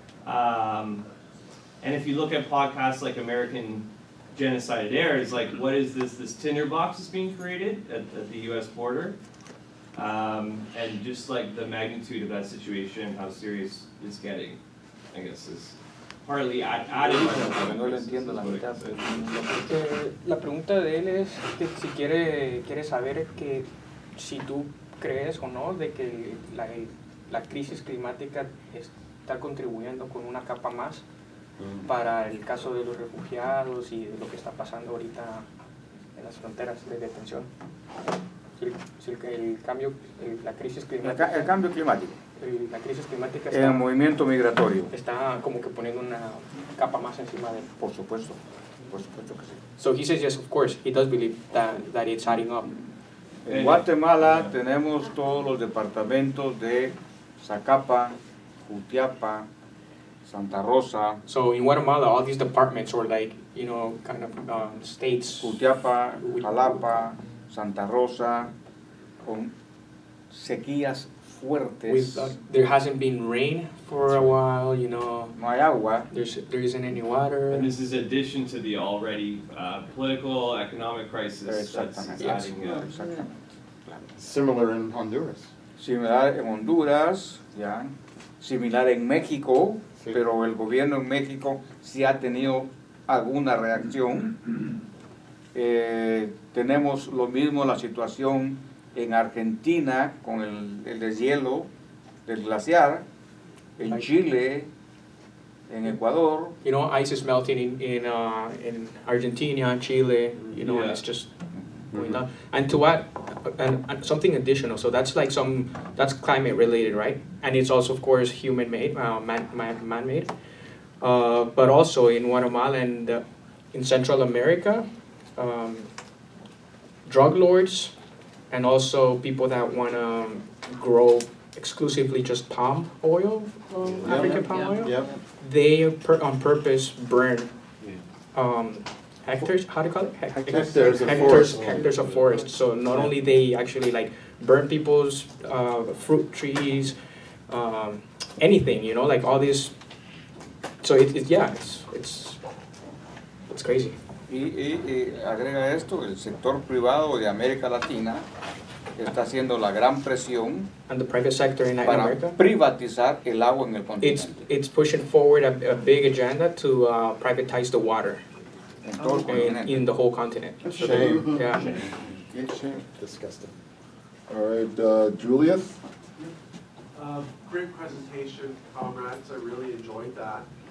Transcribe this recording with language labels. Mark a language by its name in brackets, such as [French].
[English] And if you look at podcasts like American Genocide Air, it's like, what is this tinderbox is being created at the U.S. border? And just the magnitude of that situation, how serious it's getting, I guess, is partly added. [Spanish] No lo entiendo la mitad. La pregunta de él es que si quiere saber que si tú crees o no de que la crisis climática está contribuyendo con una capa más para el caso de los refugiados y de lo que está pasando ahorita en las fronteras de detención. El cambio climático. La crisis climática está... El movimiento migratorio. Está como que poniendo una capa más encima de... Por supuesto. Por supuesto que sí. [English] So he says, yes, of course, he does believe that it's adding up. [Spanish] En Guatemala tenemos todos los departamentos de Zacapa, Jutiapa, Santa Rosa. [English] So in Guatemala, all these departments are like, you know, kind of states. [Spanish] Jutiapa, Jalapa, Santa Rosa, con sequías fuertes. [English] There hasn't been rain for a while, you know. [Spanish] No hay agua. [English] There isn't any water. And this is addition to the already political, economic crisis that's adding up. Similar in Honduras. [Spanish] Similar en Honduras, ya. Similar en México, sí. Pero el gobierno en México sí ha tenido alguna reacción. Tenemos lo mismo la situación en Argentina con el deshielo del glaciar, en Chile, en Ecuador. [English] You know, ice is melting in Argentina, Chile, you know, yeah. It's just going down. And to add, and something additional, so that's like that's climate related, right? And it's also, of course, human-made, man-made. But also in Guatemala and in Central America, drug lords and also people that want to grow exclusively just palm oil, African palm oil. They on purpose burn hectares, how do you call it? Hectares of forest. So not only they actually like burn people's fruit trees, anything, you know, like all this. So it's crazy. [Spanish] Y agrega esto, el sector privado de América Latina está haciendo la gran presión para privatizar el agua en el continente. [English] It's pushing forward a big agenda to privatize the water in the whole continent. Shame. Yeah. Shame. Disgusting. All right, Julius? Great presentation, comrades. I really enjoyed that.